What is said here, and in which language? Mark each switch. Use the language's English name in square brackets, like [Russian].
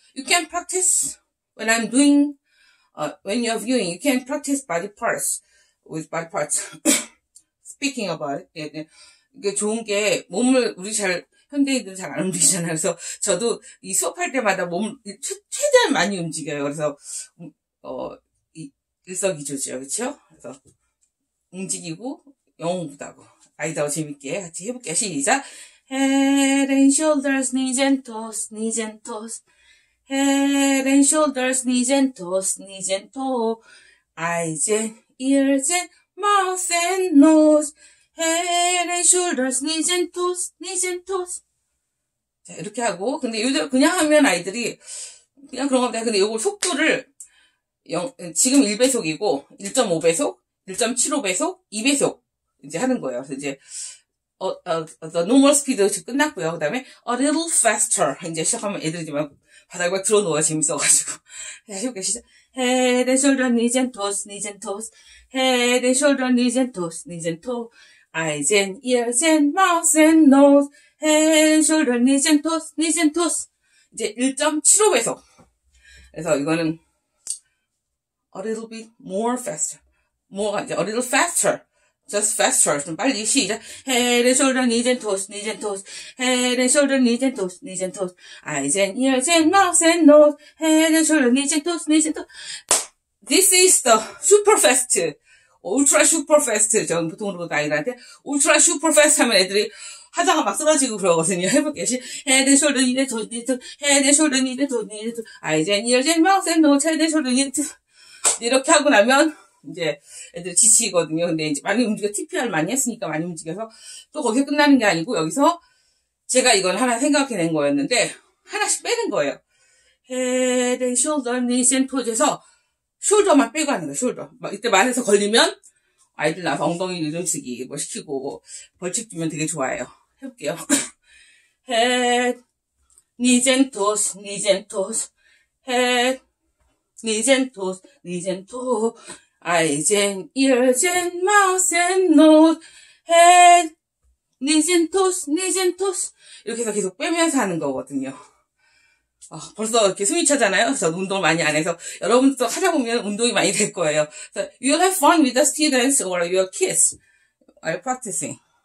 [English] You can practice when I'm doing, when you're viewing, you can practice body parts, with body parts. Speaking about it. [Korean] 이게 좋은 게 몸을 우리 잘, 현대인들은 잘안 움직이잖아요. 그래서 저도 이 수업할 때마다 몸을 최대한 많이 움직여요. 그래서 일석이조죠. 그렇죠? 그래서 움직이고 영어 공부하고 아이다오 재밌게 같이 해볼게요. 시작! [English] Head and shoulders, knees and toes, knees and toes. Head and shoulders, knees and toes, knees and toes. Eyes and ears and mouth and nose. Head and shoulders, knees and toes, knees and toes. [Korean] 자, 이렇게 하고, 근데 요즘 그냥 하면 아이들이, 그냥 그런 겁니다. 근데 요걸 속도를, 지금 1배속이고, 1.5배속, 1.75배속, 2배속, 이제 하는 거예요. 그래서 이제, [English] the normal speed [Korean] 끝났고요. 그 다음에, [English] a little faster. [Korean] 이제 시작하면 애들이 막 바닥에 막 들어 누워 재밌어가지고. 해볼게요, 시작. [English] Head and shoulder, knees and toes, knees and toes. Head and shoulder, knees and toes, knees and toes. Eyes and ears and mouth and nose. Head, shoulder, knees and toes, knees and toes. [Korean] 이제 1.75배속. 그래서 이거는 [English] a little bit more faster. More, a little faster. Just faster. [Korean] 좀 빨리 시작. [English] Head, shoulder, knees and toes, knees and toes. Head, shoulder, knees and toes, knees and toes. Eyes and ears and mouth and nose. Head, shoulder, knees and toes, knees and toes. This is the super fast. 울트라 슈퍼 패스트. [Korean] 전 보통으로 아이들한테 울트라 슈퍼 패스트 하면 애들이 하다가 막 쓰러지고 그러거든요. 해볼게요. [English] 시 Head and shoulder, knees and toes, knees and toes. Head and shoulder, knees and toes, knees and toes. Eyes and ears and mouth and nose. Head and shoulder, knees and toes. [Korean] 이렇게 하고 나면 이제 애들 지치거든요. 근데 이제 많이 움직여, TPR 많이 했으니까 많이 움직여서 또 거기서 끝나는 게 아니고 여기서 제가 이건 하나 생각해낸 거였는데 하나씩 빼는 거예요. [English] Head and shoulder, knees and toes [Korean] 에서 숄더만 빼고 하는 거예요, 숄더. 이때 말해서 걸리면 아이들 나서 엉덩이 리듬 쓰기 뭐 시키고 벌칙 주면 되게 좋아해요. 해볼게요. [English] Head, knees and toes, knees and toes. Head, knees and toes, knees and toes. Eyes and ears and mouth and nose. Head, knees and toes, knees and toes. [Korean] 이렇게 해서 계속 빼면서 하는 거거든요. 벌써 이렇게 숨이 차잖아요. 저 운동을 많이 안 해서 여러분들도 하다 보면 운동이 많이 될 거예요. [English] So, you'll have fun with the students or your kids while practicing.